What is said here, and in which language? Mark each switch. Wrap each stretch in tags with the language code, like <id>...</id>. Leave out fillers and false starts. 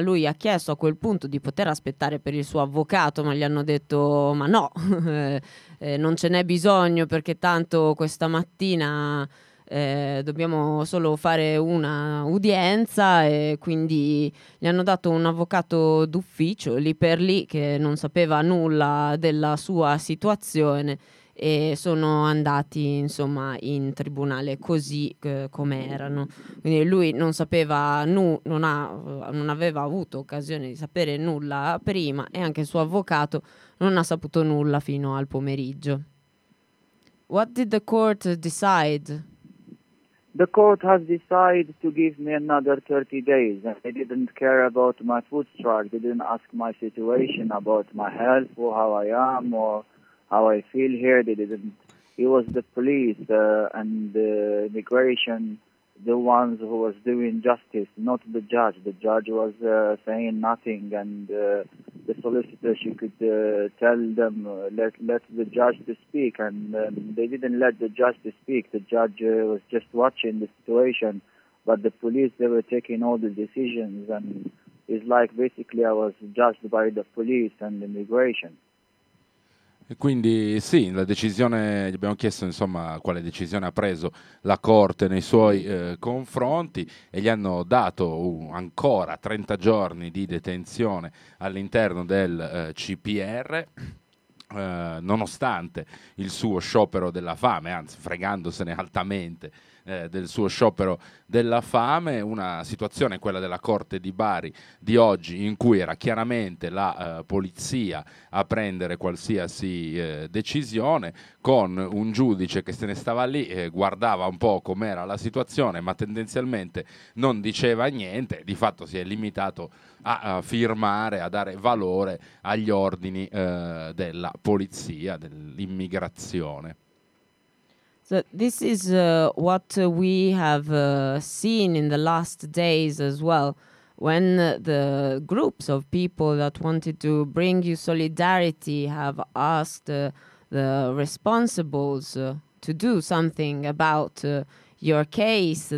<it>Lui ha chiesto a quel punto di poter aspettare per il suo avvocato, ma gli hanno detto ma no, non ce n'è bisogno, perché tanto questa mattina dobbiamo solo fare una udienza, e quindi gli hanno dato un avvocato d'ufficio lì per lì, che non sapeva nulla della sua situazione, e sono andati insomma in tribunale così come erano. Quindi lui non sapeva non aveva avuto occasione di sapere nulla prima, e anche il suo avvocato non ha saputo nulla fino al pomeriggio.</it> <en>What did the court decide? The court has decided to give me another 30 days. They didn't care about my food strike. They didn't ask my situation, about my health, or how I am, or how I feel here. They didn't. It was the police and the immigration, the ones who was doing justice, not the judge. The judge was saying nothing, and the solicitor, she could tell them, let the judge to speak, and they didn't let the judge to speak. The judge was just watching the situation, but the police, they were taking all the decisions, and it's like basically I was judged by the police and immigration.</en> <it>E quindi sì, la decisione, gli abbiamo chiesto insomma quale decisione ha preso la Corte nei suoi confronti, e gli hanno dato ancora 30 giorni di detenzione all'interno del CPR, nonostante il suo sciopero della fame, anzi fregandosene altamente del suo sciopero della fame. Una situazione, quella della Corte di Bari di oggi, in cui era chiaramente la polizia a prendere qualsiasi decisione, con un giudice che se ne stava lì, guardava un po' com'era la situazione, ma tendenzialmente non diceva niente. Di fatto si è limitato a firmare, a dare valore agli ordini della polizia, dell'immigrazione.</it> <en>So this is what we have seen in the last days as well, when the groups of people that wanted to bring you solidarity have asked the responsibles to do something about your case.</en>